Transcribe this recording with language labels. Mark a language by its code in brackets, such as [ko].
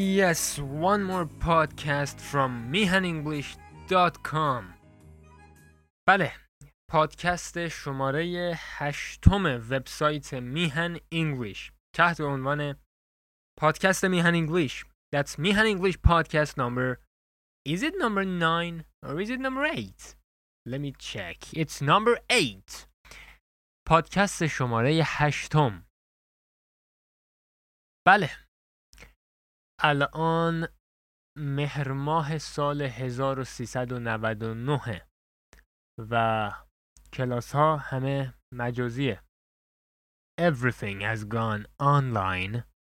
[en] that's one more podcast from mihanenglish.com. [fa] بله، پادکست شماره 8 وبسایت میهن انگلیش تحت عنوان پادکست میهن انگلیش. [en] That's میهن English podcast number. Is it number 9 or is it number 8? Let me check. It's number 8. [fa] پادکست شماره 8. بله. الان مهر ماه سال 1399 و کلاس ها همه مجازیه. [en] Everything has gone online.